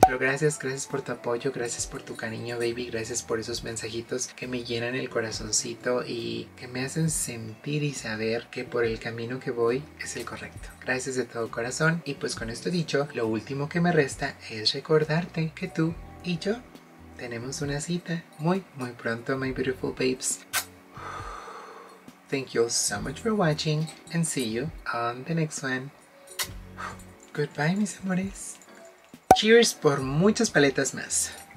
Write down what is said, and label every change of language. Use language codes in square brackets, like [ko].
[es] Pero gracias, gracias por tu apoyo, gracias por tu cariño, baby. Gracias por esos mensajitos que me llenan el corazoncito y que me hacen sentir y saber que por el camino que voy es el correcto. Gracias de todo corazón. Y pues con esto dicho, lo último que me resta es recordarte que tú y yo tenemos una cita muy, muy pronto, [en] my beautiful babes. Thank you all so much for watching and see you on the next one. Goodbye, [es] mis amores. [en] Cheers [es] por muchas paletas más.